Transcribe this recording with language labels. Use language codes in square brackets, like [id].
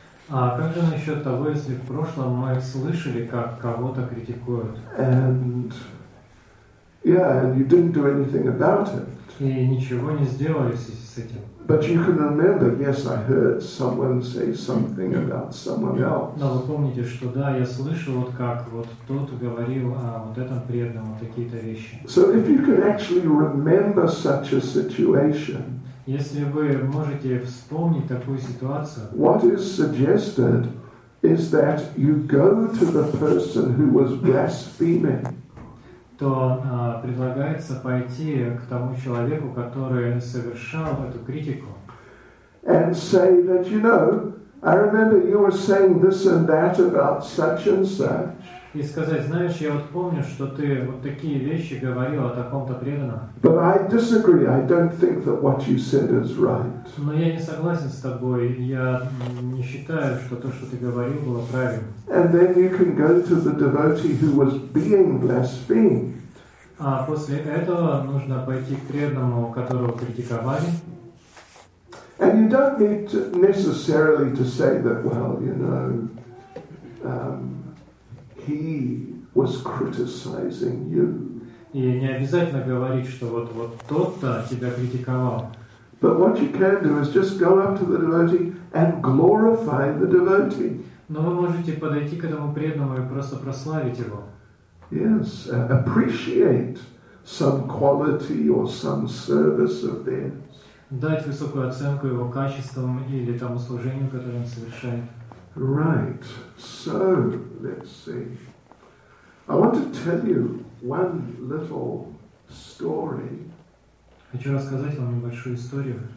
[ru] А как же насчет того, если в прошлом мы слышали, как кого-то критикуют? [en] And, yeah, and you didn't do anything about it. [ru] И ничего не сделали с этим. [en] But you can remember, yes, I heard someone say something about someone else. [ru] Но вы помните, что да, я слышал, вот как вот тот говорил о вот этом преданном, вот такие-то вещи. [en] So if you can actually remember such a situation, [ru] если вы можете вспомнить такую ситуацию, [en] what is suggested is that you go to the person who was blaspheming. [ru] То предлагается пойти к тому человеку, который совершал эту критику. [en] And say that, you know, I remember you were saying this and that about such and such. [ru] И сказать, знаешь, я вот помню, что ты вот такие вещи говорил о таком-то преданном. [en] But I disagree. I don't think that what you said is right. [ru] Но я не согласен с тобой. Я не считаю, что то, что ты говорил, было правильно. [en] And then you can go to the devotee who was being blasphemed. [ru] А после этого нужно пойти к преданному, которого критиковали. [en] And you don't need to necessarily to say that, well, you know, he was criticizing you. [ru] И не обязательно говорить, что вот тот-то тебя критиковал. [en] But what you can do is just go up to the devotee and glorify the devotee. [ru] Но вы можете подойти к этому преданному и просто прославить его. [en] Yes, appreciate some quality or some service of theirs. [ru] Дать высокую оценку его качествам или тому служению, которое он совершает. [en] Right. So, let's see. I want to tell you one little story. [ru] Хочу рассказать вам небольшую историю.